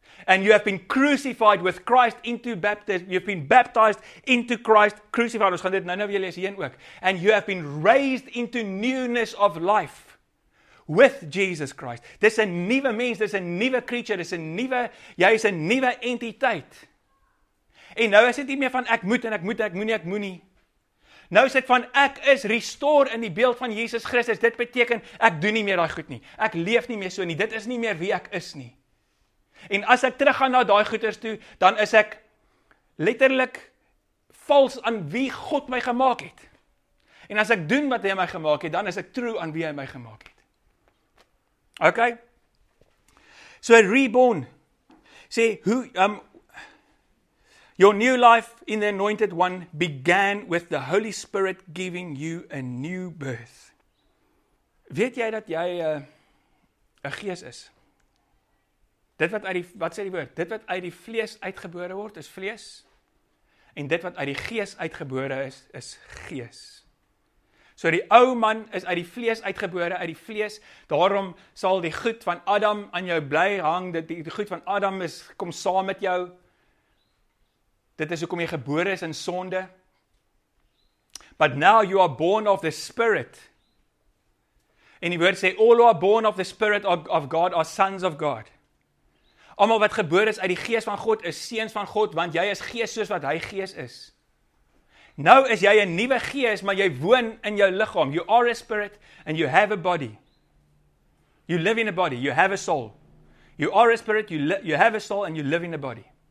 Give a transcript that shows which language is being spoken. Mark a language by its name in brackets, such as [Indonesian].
[English] And you have been crucified with Christ into baptism. You have been baptized into Christ, crucified. [Afrikaans] Ons gaan dit nou weer lees hierin ook. [English] And you have been raised into newness of life. With Jesus Christ. [Afrikaans] Dis 'n nuwe mens, dis 'n nuwe creature, dis 'n nuwe, jy is 'n nuwe entiteit. En nou is dit nie meer van ek moet en ek moet, ek moenie, ek moenie. Nou is dit van ek is restored in die beeld van Jesus Christus. Dit beteken ek doen nie meer daai goed nie. Ek leef nie meer so nie. Dit is nie meer wie ek is nie. En as ek teruggaan na daai goeders toe, dan is ek letterlik vals aan wie God my gemaak het. En as ek doen wat hy my gemaak het, dan is ek true aan wie hy my gemaak het. Oké, okay. [English] So reborn, sê, your new life in the anointed one began with the Holy Spirit giving you a new birth. [Afrikaans] Weet jy dat jy een gees is? Dit wat uit die, wat sê die woord? Dit wat uit die vlees uitgebore word, is vlees. En dit wat uit die gees uitgebore is, is gees. So die ou man is uit die vlees uitgebore, uit die vlees, daarom sal die goed van Adam aan jou bly hang, die goed van Adam is, kom saam met jou, dit is hoekom jy gebore is in sonde. [English] But now you are born of the Spirit. [Afrikaans] En die woord sê, [English] all who are born of the Spirit of God are sons of God. [Afrikaans] Almal wat gebore is uit die gees van God, is seuns van God, want jy is gees soos wat hy gees is. Nou is jy 'n nuwe gees, maar jy woon in jou liggaam. [English] You are a spirit and you have a body. You live in a body, you have a soul. You are a spirit, you have a soul and you live in a body.